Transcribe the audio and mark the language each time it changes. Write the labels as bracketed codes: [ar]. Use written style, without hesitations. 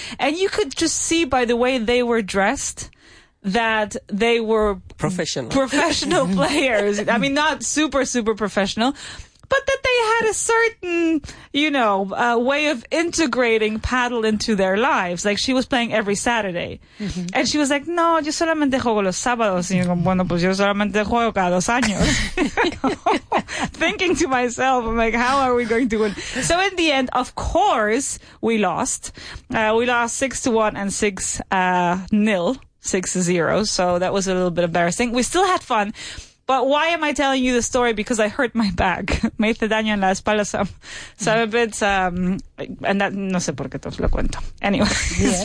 [en] And you could just see by the way they were dressed that they were professional players. I mean, not super, super professional, but that they had a certain, you know, way of integrating paddle into their lives. Like, she was playing every Saturday. Mm-hmm. And she was like, [es] no, yo solamente juego los sábados. Y yo, bueno, pues yo solamente juego cada dos años. [en] Thinking to myself, I'm like, how are we going to win? So in the end, of course, we lost. We lost 6-1 and 6-0. 6-0. So that was a little bit embarrassing. We still had fun. But why am I telling you the story? Because I hurt my back. [es] Me hice daño en la espalda. [en] So I'm a bit, and that, [es] no sé por qué te lo cuento. [en] Anyway, yes.